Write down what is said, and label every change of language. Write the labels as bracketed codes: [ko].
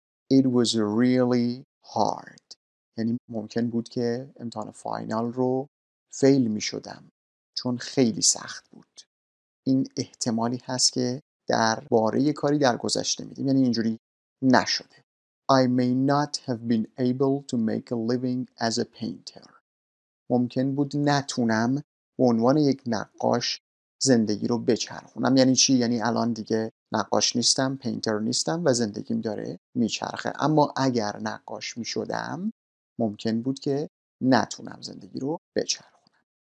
[en] It was really hard. [fa] یعنی ممکن بود که امتحان فاینال رو فیل می شدم چون خیلی سخت بود. این احتمالی هست که در باره کاری در گذشته می دیم، یعنی اینجوری نشده. [en] I may not have been able to make a living as a painter. [fa] ممکن بود نتونم به عنوان یک نقاش زندگی رو بچرخونم. یعنی چی؟ یعنی الان دیگه نقاش نیستم، پینتر نیستم و زندگیم داره میچرخه. اما اگر نقاش میشدم ممکن بود که نتونم زندگی رو بچرخونم.